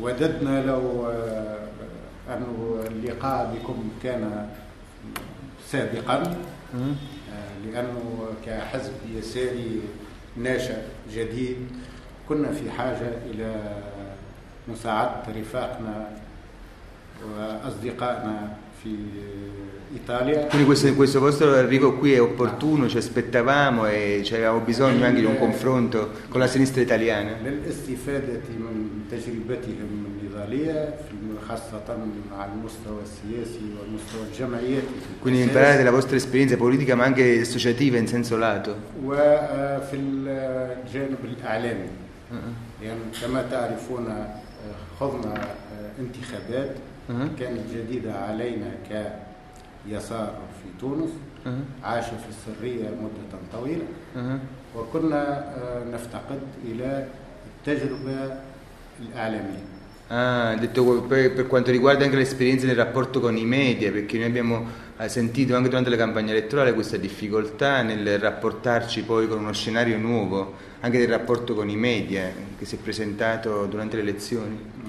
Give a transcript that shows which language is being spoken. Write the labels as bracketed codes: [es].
[ar] وددنا لو ان اللقاء بكم كان سابقا لانه كحزب يساري ناشئ جديد كنا في حاجة إلى مساعدة رفاقنا وأصدقائنا في إيطاليا. [it] Quindi questo vostro arrivo qui è opportuno, ci aspettavamo e ci avevamo bisogno anche di un confronto con la sinistra italiana. [ar] للاستفادة من تجربتهم النضالية خاصة على المستوى السياسي والمستوى الجمعي. [it] Quindi imparate la vostra esperienza politica ma anche associativa in senso lato. [ar] وفي الجانب الإعلامي. يعني كما تعرفون خضنا انتخابات كانت جديدة علينا كيسار في تونس عاش في السرية مدة طويلة وكنا نفتقد إلى التجربة الإعلامية. [it] Detto per quanto riguarda anche l'esperienza nel rapporto con i media, perché noi abbiamo sentito anche durante la campagna elettorale questa difficoltà nel rapportarci poi con uno scenario nuovo, anche del rapporto con i media che si è presentato durante le elezioni.